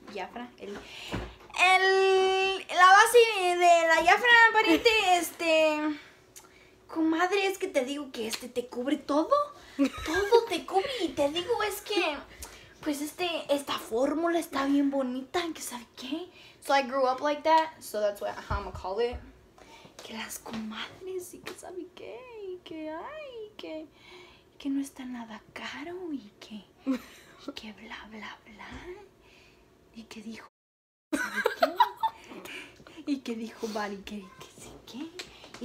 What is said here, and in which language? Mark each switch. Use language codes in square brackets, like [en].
[es] La base de la Jafra, pariente, comadre, es que te digo que te cubre todo. Todo te cubre, y te digo es que, pues esta fórmula está bien bonita, que sabe qué. [en] So I grew up like that, so that's what, how I'm gonna call it. [es] Que las comadres, y que sabe qué, y que hay, que no está nada caro, y que bla, bla, bla. Y que dijo, ¿sabe qué? Y que dijo Bari, que sí, qué.